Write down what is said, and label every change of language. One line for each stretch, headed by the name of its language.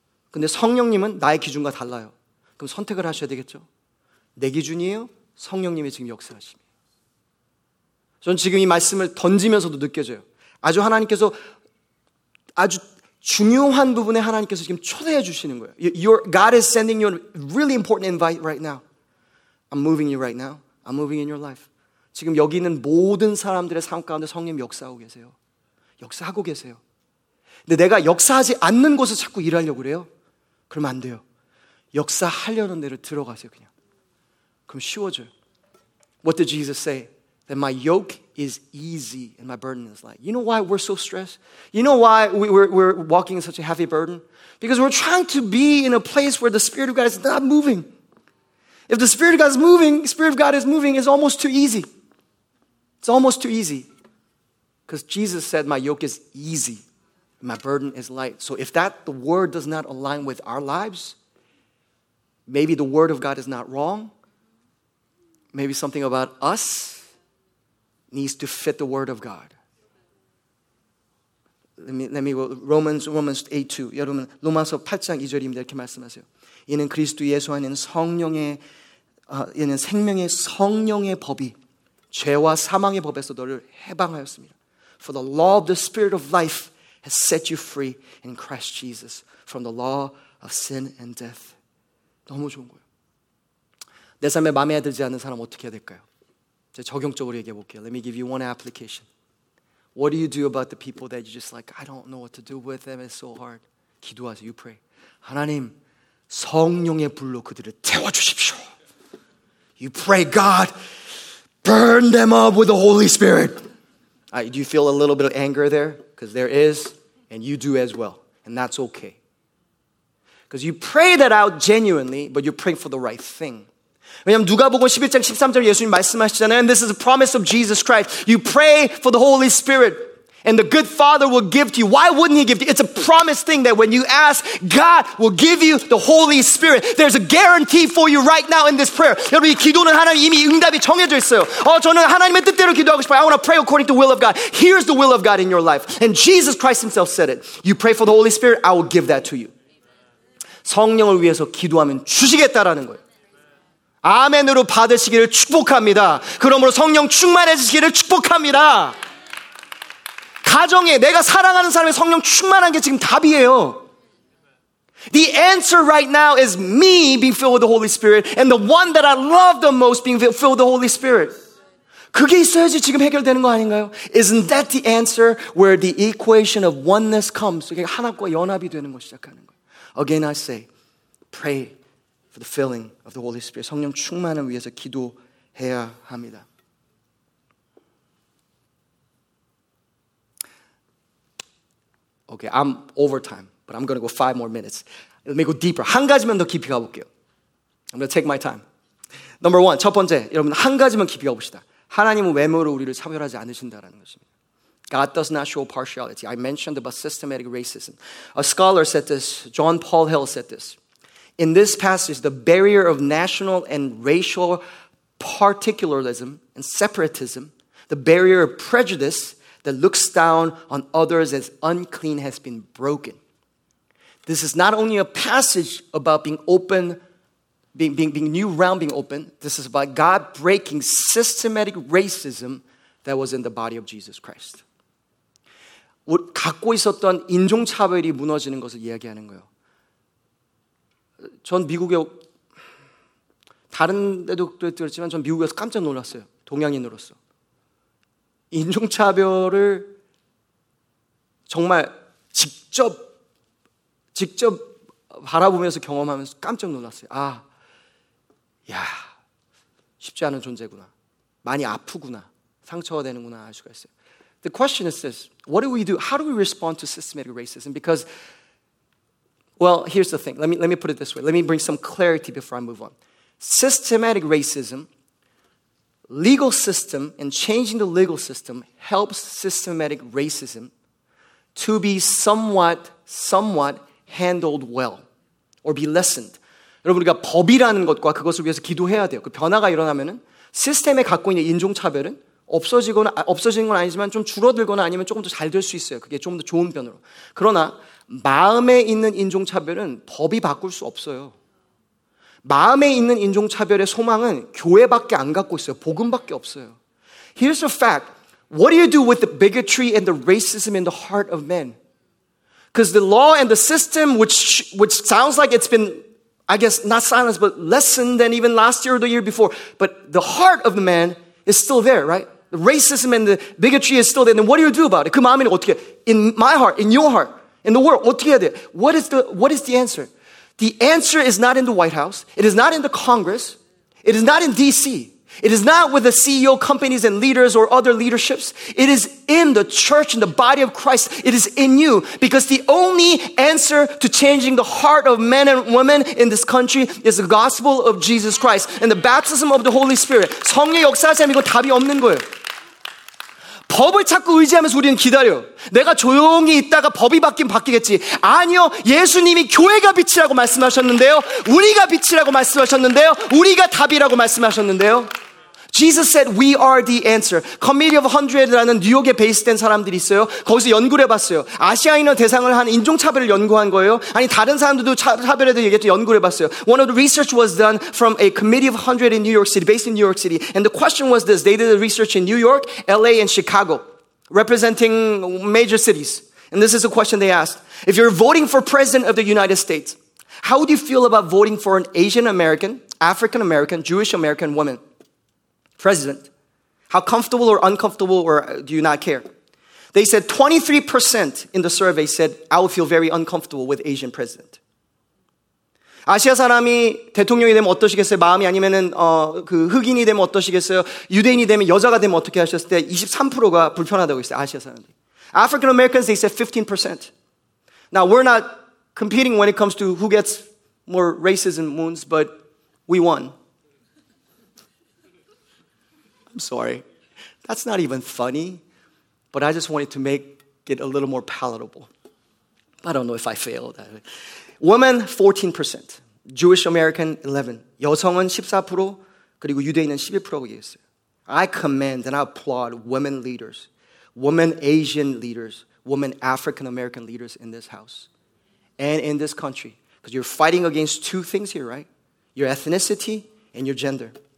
Korean: 근데 성령님은 나의 기준과 달라요. 그럼 선택을 하셔야 되겠죠? 내 기준이에요? 성령님이 지금 역사하십니다. 전 지금 이 말씀을 던지면서도 느껴져요. 아주 하나님께서 아주 중요한 부분에 하나님께서 지금 초대해 주시는 거예요.
English: God is sending you a really important invite right now. I'm moving you right now. I'm moving in your life.
Korean: 지금 여기 있는 모든 사람들의 삶 가운데 성령님 역사하고 계세요. 역사하고 계세요. 근데 내가 역사하지 않는 곳에 자꾸 일하려고 그래요? 그럼 안 돼요. 역사하려는 데를 들어가세요, 그냥. 그럼 쉬워져요.
English: What did Jesus say? That my yoke is easy and my burden is light. You know why we're so stressed? You know why we're walking in such a heavy burden? Because we're trying to be in a place where the Spirit of God is not moving. If the Spirit of God is moving, Spirit of God is moving, it's almost too easy. It's almost too easy. Because Jesus said, my yoke is easy, my burden is light. So if that, the word does not align with our lives, maybe the word of God is not wrong. Maybe something about us needs to fit the word of God. Let me go. Romans 8:2.
Korean: 여러분, 로마서 8장 2절입니다. 이렇게 말씀하세요. 이는 그리스도 예수 안에는 성령의 이는 생명의 성령의 법이 죄와 사망의 법에서 너를 해방하였습니다.
English: For the law of the spirit of life has set you free in Christ Jesus from the law of sin and death.
Korean: 너무 좋은 거예요. 내 삶에 마음에 들지 않는 사람 어떻게 해야 될까요? 제가 적용적으로 얘기해 볼게요.
English: Let me give you one application. What do you do about the people that you just like, I don't know what to do with them, it's so hard.
Korean: 기도하세요.
English: You pray.
Korean: 하나님, 성령의 불로 그들을 태워주십시오.
English: You pray, God, burn them up with the Holy Spirit. Do you feel a little bit of anger there? Because there is, and you do as well. And that's okay. Because you pray that out genuinely, but you're praying for the right thing. 왜냐하면 누가복음 11장 13절 예수님 말씀하시잖아요. And this is a promise of Jesus Christ. You pray for the Holy Spirit and the good Father will give to you. Why wouldn't he give to you? It's a promise thing that when you ask, God will give you the Holy Spirit. There's a guarantee for you right now in this prayer.
Korean: 여러분 이 기도는 하나님 이미 응답이 정해져 있어요. 저는 하나님의 뜻대로 기도하고 싶어요.
English: I want to pray according to the will of God. Here's the will of God in your life. And Jesus Christ himself said it. You pray for the Holy Spirit, I will give that to you.
Korean: 성령을 위해서 기도하면 주시겠다라는 거예요. 아멘으로 받으시기를 축복합니다. 그러므로 성령 충만해지시기를 축복합니다. 가정에 내가 사랑하는 사람의 성령 충만한 게 지금 답이에요.
English: The answer right now is me being filled with the Holy Spirit and the one that I love the most being filled with the Holy Spirit.
Korean: 그게 있어야지 지금 해결되는 거 아닌가요?
English: Isn't that the answer where the equation of oneness comes?
Korean: 하나님과 연합이 되는 거 시작하는 거예요.
English: Again I say, pray. The filling of the Holy Spirit.
Korean: 성령 충만을 위해서 기도해야 합니다.
English: 오케이, I'm over time, but I'm going to go 5 more minutes. Let me go deeper.
Korean: 한 가지만 더 깊이 가볼게요.
English: I'm going to take my time. Number one,
Korean: 첫 번째, 여러분 한 가지만 깊이 가봅시다. 하나님은 외모로 우리를 차별하지 않으신다라는 것입니다.
English: God does not show partiality. I mentioned about systematic racism. A scholar said this, John Paul Hill said this. In this passage, the barrier of national and racial particularism and separatism, the barrier of prejudice that looks down on others as unclean has been broken. This is not only a passage about being open, being new realm being open. This is about God breaking systematic racism that was in the body of Jesus Christ.
Korean: 갖고 있었던 인종차별이 무너지는 것을 이야기하는 거예요. 전 미국에 다른 데도 들었지만 전 미국에서 깜짝 놀랐어요. 동양인으로서 인종차별을 정말 직접 바라보면서 경험하면서 깜짝 놀랐어요. 아, 야, 쉽지 않은 존재구나. 많이 아프구나. 상처가 되는구나 할 수가 있어요.
English: The question is this: What do we do? How do we respond to systematic racism? Because Well, here's the thing. Let me put it this way. Let me bring some clarity before I move on. Systematic racism, legal system, and changing the legal system helps systematic racism to be somewhat handled well or be lessened.
Korean: 여러분, 우리가 법이라는 것과 그것을 위해서 기도해야 돼요. 그 변화가 일어나면은 시스템에 갖고 있는 인종차별은 없어지는 건 아니지만 좀 줄어들거나 아니면 조금 더 잘 될 수 있어요. 그게 조금 더 좋은 변으로. 그러나 마음에 있는 인종차별은 법이 바꿀 수 없어요. 마음에 있는 인종차별의 소망은 교회밖에 안 갖고 있어요. 복음밖에 없어요.
English: Here's the fact. What do you do with the bigotry and the racism in the heart of men? Because the law and the system, which sounds like it's been, I guess, not silenced, but lessened than even last year or the year before. But the heart of the man is still there, right? The racism and the bigotry is still there. Then what do you do about it?
Korean: 그 마음에는 어떻게?
English: In my heart, in your heart. In the world,
Korean: 어떻게 해야 돼?
English: What is the answer? The answer is not in the White House. It is not in the Congress. It is not in D.C. It is not with the CEO companies and leaders or other leaderships. It is in the church and the body of Christ. It is in you. Because the only answer to changing the heart of men and women in this country is the gospel of Jesus Christ and the baptism of the Holy Spirit.
Korean: 성령 역사하시면 이거 답이 없는 거예요. 법을 자꾸 의지하면서 우리는 기다려. 내가 조용히 있다가 법이 바뀌면 바뀌겠지. 아니요. 예수님이 교회가 빛이라고 말씀하셨는데요. 우리가 빛이라고 말씀하셨는데요. 우리가 답이라고 말씀하셨는데요.
English: Jesus said we are the answer. Committee of
Korean: 100이라는 뉴욕에 베이스된 사람들이 있어요. 거기서 연구를 해봤어요. 아시아인을 대상을 한 인종차별을 연구한 거예요. 아니 다른 사람들도 차별에 대해 얘기했죠. 연구를 해봤어요.
English: One of the research was done from a committee of 100 in New York City, based in New York City. And the question was this. They did a research in New York, LA, and Chicago, representing major cities. And this is a question they asked. If you're voting for president of the United States, how do you feel about voting for an Asian American, African American, Jewish American woman? President, how comfortable or uncomfortable or do you not care? They said 23% in the survey said, I would feel very uncomfortable with Asian president.
Korean: 아시아 사람이 대통령이 되면 어떠시겠어요? 마음이 아니면은 그 흑인이 되면 어떠시겠어요? 유대인이 되면 여자가 되면 어떻게 하셨을 때 23%가 불편하다고 했어요, 아시아 사람들이.
English: African Americans, they said 15%. Now, we're not competing when it comes to who gets more racism wounds, but we won. I'm sorry. That's not even funny, but I just wanted to make it a little more palatable. I don't know if I failed. Women, 14%. Jewish American, 11%.
Korean: 여성은 14%, 그리고 유대인은 11%라고 얘기했어요.
English: I commend and I applaud women leaders, women Asian leaders, women African American leaders in this house and in this country, because you're fighting against two things here, right? Your ethnicity and your gender.